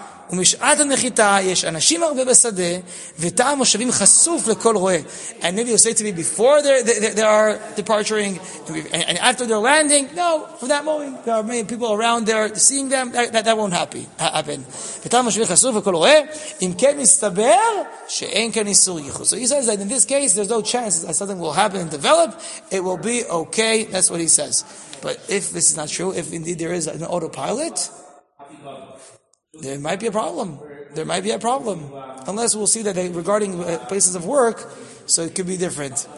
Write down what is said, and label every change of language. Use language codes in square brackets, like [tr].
[he] ומשעת הנחיתה יש אנשים הרבה בשדה ותאם מושבים חשוף לכל רואה. [en] And maybe you say to me before they are departuring and after they're landing, no, for that moment there are many people around there seeing them, that won't happen. [he] ותאם מושבים חשוף לכל רואה. אם כן מסתבר שאין כאן איסור ייחוס. [en] So he says that in this case there's no chance that something will happen and develop, it will be okay. That's what he says. But if this is not true, if indeed there is an autopilot, There might be a problem. Unless we'll see that regarding places of work, so it could be different.